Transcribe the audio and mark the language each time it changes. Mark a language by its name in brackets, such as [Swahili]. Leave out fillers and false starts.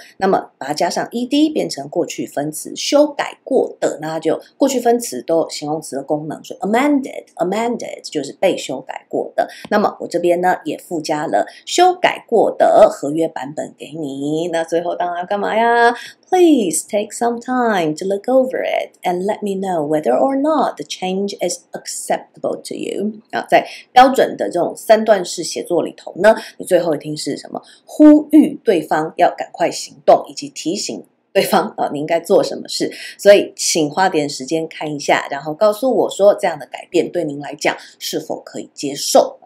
[Chinese] 那么把它加上 ed 变成过去分词，修改过的，那就过去分词都有形容词的功能，所以 amended 就是被修改过的。那么我这边呢也附加了修改过的合约版本给你。那最后当然干嘛呀？ [English] Please take some time to look over it and let me know whether or not the change is acceptable to you. [Chinese] 在标准的这种三段式写作里头呢，你最后一听是什么？呼吁对方要赶快行动，以及提醒对方你应该做什么事。所以请花点时间看一下，然后告诉我说这样的改变对您来讲是否可以接受。